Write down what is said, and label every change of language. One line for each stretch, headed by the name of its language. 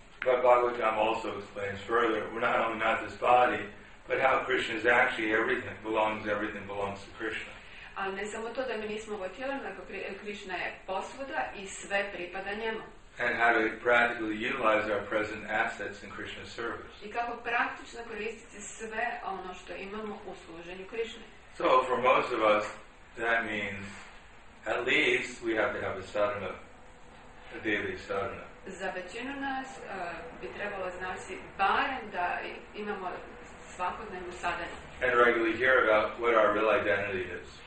English: But Bhagavatam also explains further, we're not only not this body, but how Krishna is actually everything belongs to Krishna.
Croatian: Ali ne samo to da mi nismo ovo tijelo, nego Krishna je posvuda i sve pripada njemu.
English: And how to practically utilize our present assets in Krishna's service.
Croatian: I kako praktično koristiti sve ono što imamo u služenju Krishne.
English: So for most of us, that means at least we have to have a sadhana, a daily sadhana.
Croatian: Za većinu nas bi trebalo znači barem da imamo svakodnevnu sadhanu.
English: And regularly hear about what our real identity is.